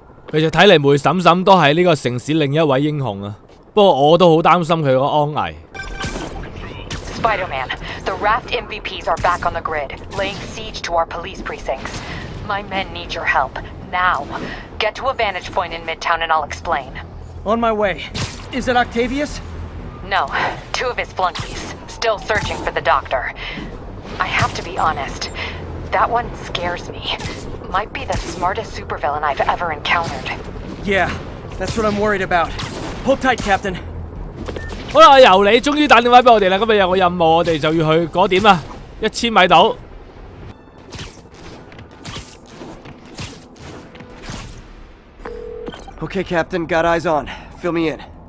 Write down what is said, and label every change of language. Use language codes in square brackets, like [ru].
[yue] 其实睇嚟梅婶婶都系呢个城市另一位英雄啊。不过我都好担心佢个安危。 [en] Spider-Man, the Raft MVPs are back on the grid, laying siege to our police precincts. My men need your help now. Get to a vantage point in Midtown, and I'll explain. On my way. Is it Octavius? No. Two of his flunkies still searching for the doctor. I have to be honest. That one scares me. Might be the smartest supervillain I've ever encountered. Yeah, that's what I'm worried about. Hold tight, Captain. [yue] 好啦，由你终于打电话俾我哋啦。今日有个任务，我哋就要去嗰点啦，1000米度。 [en] Okay, Captain, got eyes on. Fill me in.